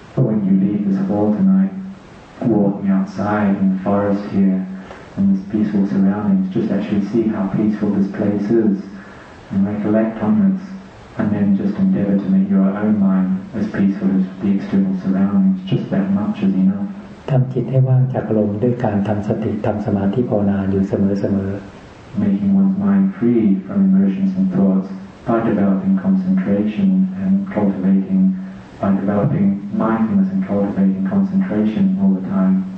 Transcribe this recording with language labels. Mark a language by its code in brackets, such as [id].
[en] When you leave this hall tonight, walking outside in the forest here, in this peaceful surroundings, just actually see how peaceful this place is, and recollect on this, and then just endeavor to make your own mind as peaceful as the external surroundings, just that much is enough. [th] ทำจิตให้ว่างจากอารมณ์ด้วยการทำสติทำสมาธิภาวนาอยู่เสมอ [en] ๆ making one's mind free from emotions and thoughts by developing concentration and cultivating by developing mindfulness and cultivating concentration all the time.